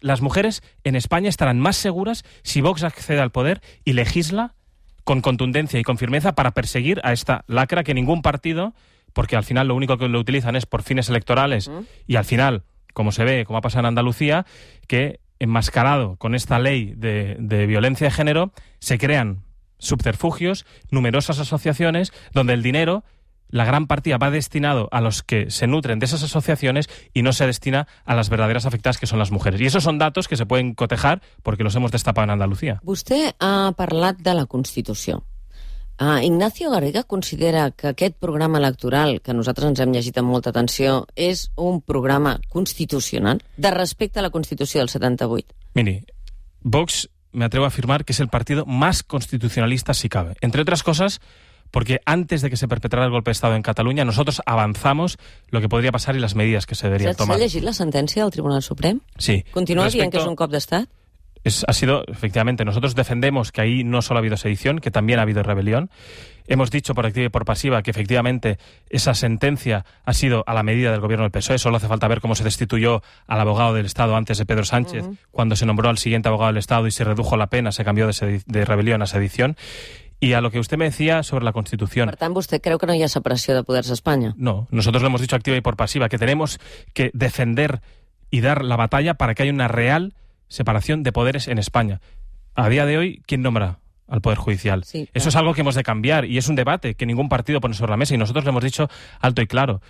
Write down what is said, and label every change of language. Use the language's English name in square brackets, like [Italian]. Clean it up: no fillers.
[Spanish] Las mujeres en España estarán más seguras si Vox accede al poder y legisla con contundencia y con firmeza para perseguir a esta lacra que ningún partido, porque al final lo único que lo utilizan es por fines electorales, y al final, como se ve, como ha pasado en Andalucía, que enmascarado con esta ley de violencia de género, se crean subterfugios, numerosas asociaciones, donde el dinero, la gran partida, va destinado a los que se nutren de esas asociaciones y no se destina a las verdaderas afectadas, que son las mujeres. Y esos son datos que se pueden cotejar porque los hemos destapado en Andalucía. [Catalan] Vostè ha parlat de la Constitució. Ignacio Garriga considera que aquest programa electoral, que nosaltres ens hem llegit amb molta atenció, és un programa constitucional de respecte a la Constitució del 78. Miri, [Spanish] Vox, me atrevo a afirmar que es el partido más constitucionalista si cabe. Entre otras cosas, porque antes de que se perpetrara el golpe de Estado en Cataluña, nosotros avanzamos lo que podría pasar y las medidas que se deberían tomar. ¿Se ha [Catalan] llegit la sentencia del Tribunal Suprem? Sí. ¿Continúa dient que és un cop d'estat? [Spanish] Ha sido, efectivamente, nosotros defendemos que ahí no solo ha habido sedición, que también ha habido rebelión. Hemos dicho por activa y por pasiva que efectivamente esa sentencia ha sido a la medida del gobierno del PSOE. Solo hace falta ver cómo se destituyó al abogado del Estado antes de Pedro Sánchez, cuando se nombró al siguiente abogado del Estado y se redujo la pena, se cambió de rebelión a sedición. Y a lo que usted me decía sobre la Constitución... [Catalan] Per tant, vostè creu que no hi ha separació de poders a Espanya? [Spanish] No, nosotros lo hemos dicho activa y por pasiva, que tenemos que defender y dar la batalla para que haya una real separación de poderes en España. A día de hoy, ¿quién nombra al Poder Judicial? Sí, claro. Eso es algo que hemos de cambiar y es un debate que ningún partido pone sobre la mesa y nosotros lo hemos dicho alto y claro.